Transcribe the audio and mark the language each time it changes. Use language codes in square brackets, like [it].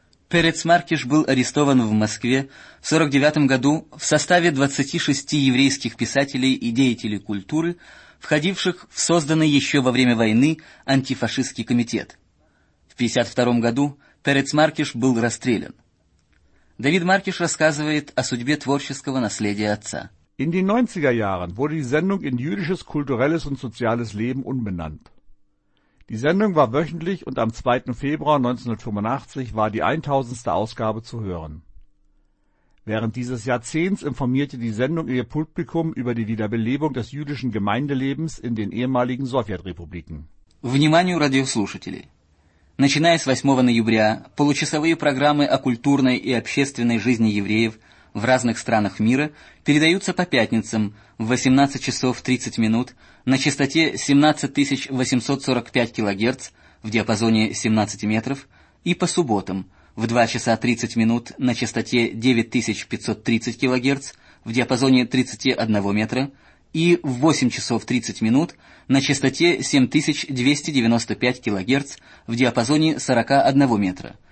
[ru] Перец Маркиш был арестован в Москве в 49 году в составе 26 еврейских писателей и деятелей культуры, входивших в созданный еще во время войны антифашистский комитет. В 52 году Перец Маркиш был расстрелян. Давид Маркиш рассказывает о судьбе творческого наследия отца. [de] In den 90er Jahren wurde die Sendung in jüdisches kulturelles und soziales Leben umbenannt. Die Sendung war wöchentlich und am 2. Februar 1985 war die 1000. Ausgabe zu hören. Während dieses Jahrzehnts informierte die Sendung ihr Publikum über die Wiederbelebung des jüdischen Gemeindelebens in den ehemaligen Sowjetrepubliken. [ru] Вниманию, радиослушатели! Начиная с 8 ноября, получасовые программы о культурной и общественной жизни евреев в разных странах мира передаются по пятницам в 18 часов 30 минут на частоте 17 845 кГц в диапазоне 17 метров и по субботам в 2 часа 30 минут на частоте 9 530 кГц в диапазоне 31 метра и в 8 часов 30 минут на частоте 7 295 кГц в диапазоне 41 метра.